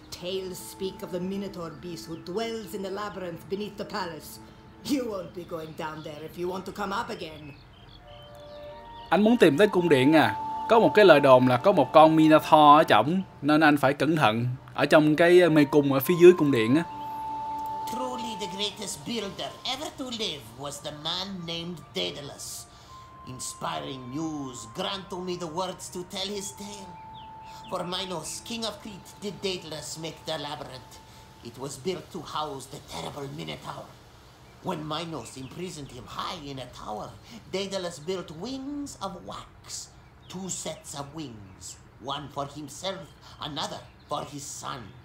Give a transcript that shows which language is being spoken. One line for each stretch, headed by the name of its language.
English: Tales speak of the Minotaur beast who dwells in the labyrinth beneath the palace. You won't be going down there if you want to come up again.
Vietnamese: Anh muốn tìm tới cung điện à? Có một cái lời đồn là có một con Minotaur ở trong, nên anh phải cẩn thận ở trong cái mê cung ở phía dưới cung điện á.
English: Truly the greatest builder ever to live was the man named Daedalus. Inspiring muse, grant to me the words to tell his tale. For Minos, king of Crete, did Daedalus make the labyrinth. It was built to house the terrible Minotaur. When Minos imprisoned him high in a tower, Daedalus built wings of wax, two sets of wings, one for himself, another for his son.